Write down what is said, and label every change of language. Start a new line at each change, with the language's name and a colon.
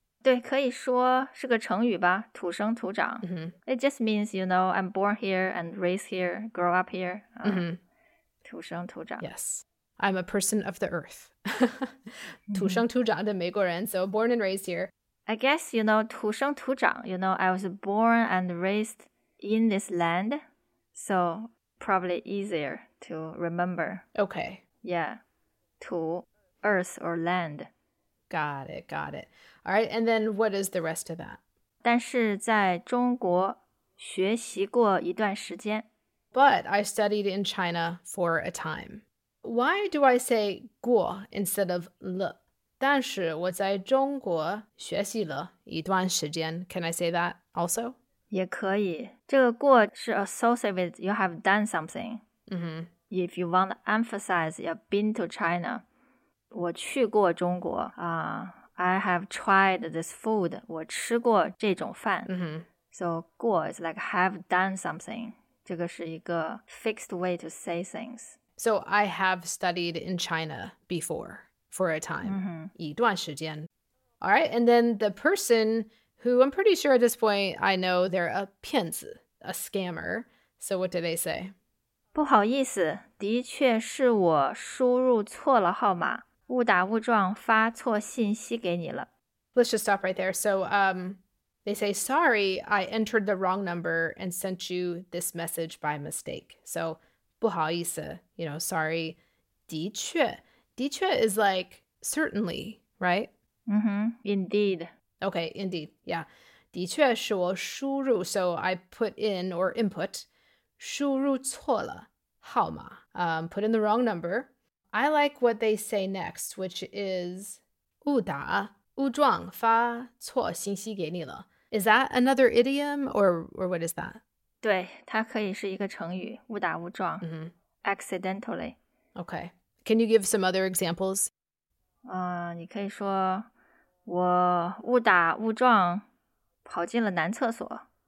Chinese: 对,可以说是个成语吧,土生土长。 Mm-hmm.
English: It just means, you know, I'm born here and raised here, grow up here.、 Mm-hmm.
Chinese: 土生土长。
English: Yes, I'm a person of the earth.
Chinese: 土生土长的美国人,
English: so born and raised here. I guess, you know, 土生土长, you know, I was born and raised in this land, so probably easier to remember. Okay. Yeah. 土, earth or land. Got it, got it. All right, and then what is the rest of that?
Chinese: 但是在中国学习过一段时间。
English: But I studied in China for a time. Why do I say 过 instead of 了?
Chinese: 但是我在中国学习了一段时间。
English: Can I say that also?
Chinese: 也可以。这个过是
English: associated with you have done something.、 Mm-hmm. If you want to emphasize you've been to China,
Chinese: 我去过中国、
English: I have tried this food.
Chinese: 我吃过这种饭。 Mm-hmm.
English: So 过 is like have done something.
Chinese: 这个是一个
English: fixed way to say things. So I have studied in China before. For a time,、 mm-hmm.
Chinese: 一段时间。
English: All right, and then the person who I'm pretty sure at this point I know they're a 骗子, a scammer. So what do they say?
Chinese: 不好意思，的确是我输入错了号码，误打误撞发错信息给你了。
English: Let's just stop right there. So they say, sorry, I entered the wrong number and sent you this message by mistake. So
Chinese: 不好意思,
English: you know, sorry, 的确。的确 is like certainly, right? Mm-hmm. Indeed. Okay, indeed. Yeah.
Chinese: 的确是我输入,
English: so I put in or input,
Chinese: 输入错了号码,
English: put in the wrong number. I like what they say next, which is
Chinese: 误打误撞发错信息给你了.
English: Is that another idiom or what is that?
Chinese: 对,它可以是一个成语,误打误撞, mm-hmm.
English: accidentally. Okay. Can you give some other examples?
Chinese: 你可以说我误打误撞跑进了男厕所。